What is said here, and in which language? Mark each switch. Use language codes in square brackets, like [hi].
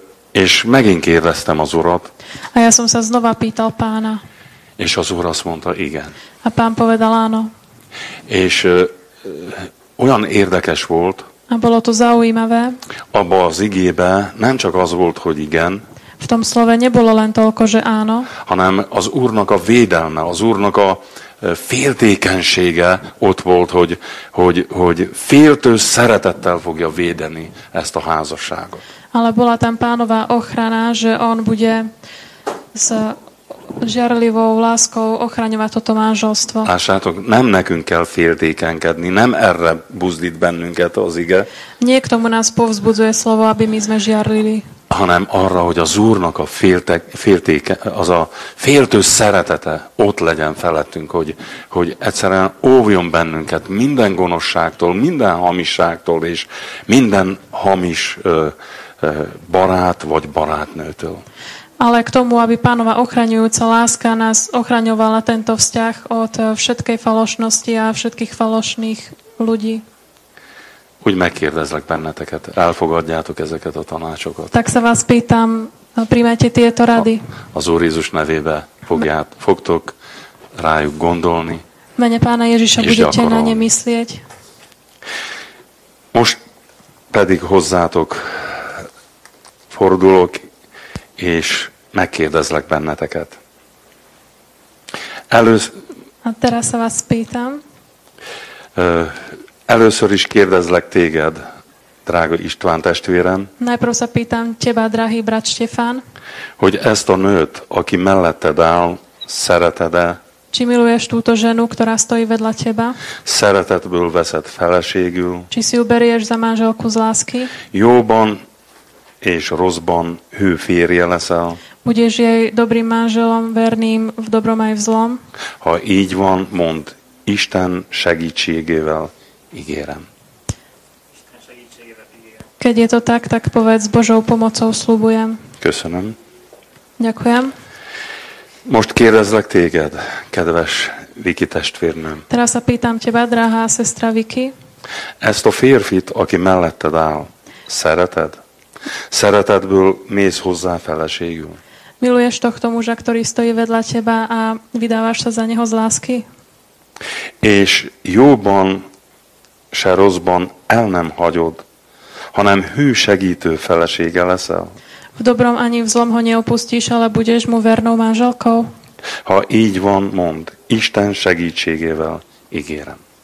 [hu] És megint kérdeztem az Urat. [sk] A ja som sa znova pýtal Pána. [hu] És az Úr azt mondta, igen. [sk] A Pán povedal áno. [hu] És olyan érdekes volt. [sk] A bolo to zaujímavé. [hu] Abba az igébe nem csak az volt, hogy igen. [sk] V tom slove nebolo len toľko, že áno. [hu] Hanem az Úrnak a védelme, az Úrnak a féltékenysége ott volt, hogy féltő szeretettel fogja védeni ezt a házasságot. [sk] Ale bola tam Pánová ochrana, že on bude s žiarlivou láskou ochraňovať toto manželstvo. [hu] Lássátok, nem nekünk kell féltékenkedni, nem erre buzdít bennünket az ige. [sk] Nie k tomu nás povzbudzuje slovo, aby my sme žiarlili. [hu] Hanem arra, hogy az Úrnak a az a féltő szeretete ott legyen felettünk, hogy egyszerűen óvjon bennünket minden gonoszságtól, minden hamisságtól és minden hamis barát vagy barátnőtől. [sk] Ale k tomu, aby Pánova ochraňujúca láska nás ochraňovala tento vzťah od všetkej falošnosti a všetkých falošných ľudí. [hu] Úgy megkérdezlek benneteket, elfogadjátok ezeket a tanácsokat. [sk] Tak sa vás pýtam, príjmete tieto rady. [hu] Az Úr Jézus nevébe fogtok rájuk gondolni. [sk] mene Pána Ježiša budete na ne myslieť. [hu] Most pedig hozzátok fordulok, és megkérdezlek benneteket. [sk] A teraz sa vás pýtam. [hu] Először is kérdezlek téged, drága István testvérem. [sk] Najprv sa pýtam teba, drahý brat Štefán. [hu] Hogy ezt a nőt, aki melletted áll, szereted-e? [sk] Či miluješ túto ženu, ktorá stojí vedľa teba? [hu] Szeretetből veszed feleségül. [sk] Či si ju berieš za manželku z lásky? [hu] Jóban és rosszban hű férje leszel. [sk] Budeš jej dobrým manželom, verným v dobrom aj v zlom? [hu] Ha így van, mond, Isten segítségével ígérem. [sk] Keď je to tak, tak povedz, Božou pomocou sľubujem. [hu] Köszönöm. [sk] Ďakujem. [hu] Most kérdezlek téged, kedves Viki testvérnőm. [sk] Teraz sa pýtam teba, drahá sestra Viki. [hu] Ezt a férfit, aki melletted áll, szereted? Szeretetből mész hozzá feleségül? [sk] Miluješ tohto muža, ktorý stojí vedľa teba a vydávaš sa za neho z lásky? [hu] És jóban, se rosszban el nem hagyod, hanem hű segítő felesége leszel. [sk] V dobrom ani v zlom ho neopustíš, ale budeš mu vernou manželkou. [hu] Ha így van, mond, Isten segítségével ígérem.